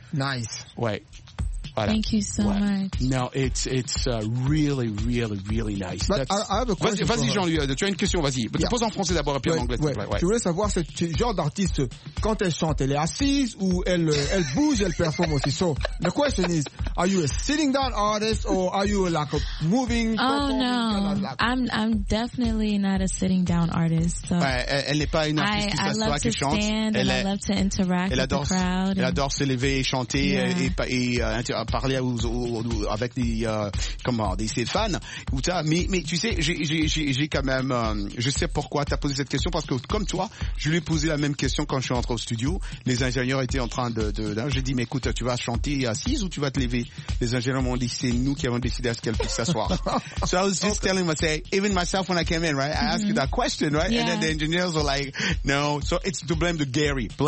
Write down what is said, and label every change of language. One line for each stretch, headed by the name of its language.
English: Nice.
French: Ouais. Voilà.
English: Thank you so much. No, it's really, really, really nice. But I have a question.
French: Vas-y, Jean-Louis, tu as une question, vas-y. Yeah. Pose en français d'abord et puis en anglais. Ouais. Ouais. Je voulais savoir ce genre d'artiste, quand elle chante, elle est assise ou elle bouge, elle performe aussi.
English: So, the question is, are you a sitting down artist or are you like a moving? Oh, no. I'm definitely not a sitting down artist. So.
French: Ouais, elle n'est pas une artiste qui chante.
English: I love to interact with the crowd.
French: Elle adore s'élever et chanter à parler avec des fans ou ça, mais tu sais, j'ai quand même je sais pourquoi t'as posé cette question, parce que comme toi, je lui ai posé la même question quand je suis entré au studio. Les ingénieurs étaient en train de j'ai dit, mais écoute, tu vas chanter assise ou tu vas te lever? Les ingénieurs m'ont dit, c'est nous qui avons décidé à ce qu'elle puisse s'asseoir.
English: So I was just telling myself, even myself when I came in, right, I asked you that question, right? Yeah. And then the engineers were like, no, so it's to blame to Gary.